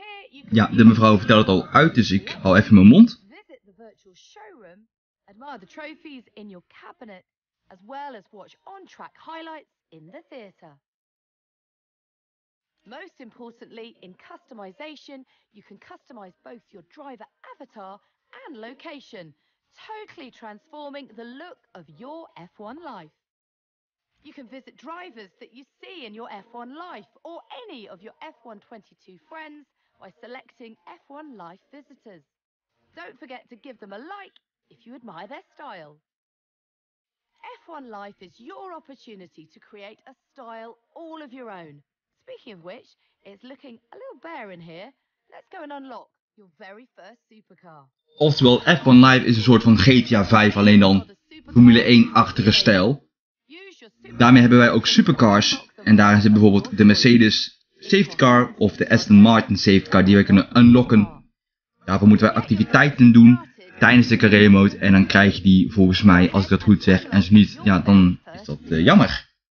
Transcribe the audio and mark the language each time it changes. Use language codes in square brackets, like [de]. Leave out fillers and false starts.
[nl] Ja, de mevrouw vertelt het al uit, dus ik hou even mijn mond. [en] Visit the virtual showroom, admire the trophies in your cabinet, as well as watch on-track highlights in the theater. Most importantly, in customization, you can customize both your driver avatar and location, totally transforming the look of your F1 life. You can visit drivers that you see in your F1 life or any of your F1 22 friends by selecting F1 life visitors. Don't forget to give them a like if you admire their style. F1 life is your opportunity to create a style all of your own. Speaking of which, it's looking a little bare in here. Let's go and unlock your very first supercar. [nl] Oftewel, F1 Live is een soort van GTA 5, alleen dan Formule 1-achtige stijl. Daarmee hebben wij ook supercars. En daar zit bijvoorbeeld de Mercedes safety car of de Aston Martin safety car die wij kunnen unlocken. Daarvoor moeten wij activiteiten doen tijdens de carrière mode. En dan krijg je die volgens mij, als ik dat goed zeg, en zo niet, ja, dan is dat jammer.